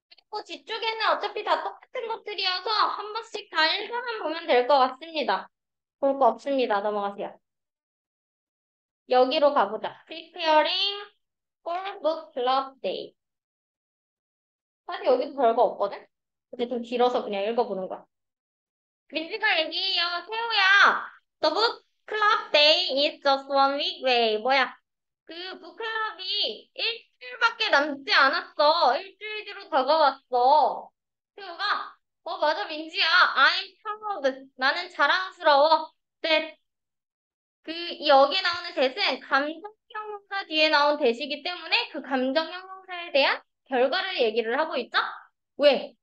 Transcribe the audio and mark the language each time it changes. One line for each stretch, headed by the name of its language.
Korean: 그리고 뒤쪽에는 어차피 다 똑같은 것들이어서 한 번씩 다 읽어만 보면 될것 같습니다. 볼거 없습니다. 넘어가세요. 여기로 가보자.
English: Preparing for book club day.
Korean: 사실 여기도 별거 없거든? 근데 좀 길어서 그냥 읽어보는 거야. 민지가 얘기해요. 세호야,
English: The book club day is just 1 week away.
Korean: 뭐야? 그 book club이 일주일밖에 남지 않았어. 일주일 뒤로 다가왔어. 세호가, 맞아, 민지야.
English: I'm proud.
Korean: 나는 자랑스러워.
English: That.
Korean: 여기에 나오는 that은 감정형용사 뒤에 나온 that이기 때문에 그 감정형용사에 대한 결과를 얘기를 하고 있죠? 왜?